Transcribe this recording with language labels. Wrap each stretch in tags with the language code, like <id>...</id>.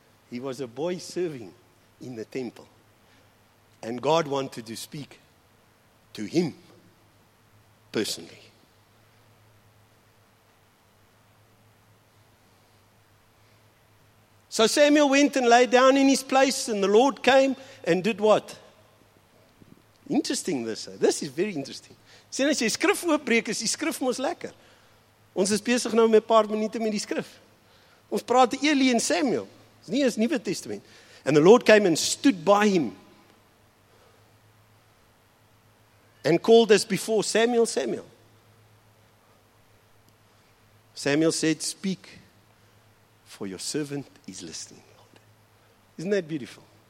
<en>He was a boy serving in the temple. And God wanted to speak to him personally. So Samuel went and lay down in his place, and the Lord came and did what? Interesting this. This is very interesting.</en> <af>Sien as jy skrif oopbreek, is die skrif mos lekker. Ons is besig nou met 'n paar minute met die skrif. Ons praat Eli en Samuel. Dis nie 'n Nuwe Testament.</af> <en>And the Lord came and stood by him and called as before, Samuel, Samuel. Samuel said, speak, for your servant is listening, Lord. Isn't that beautiful?</en>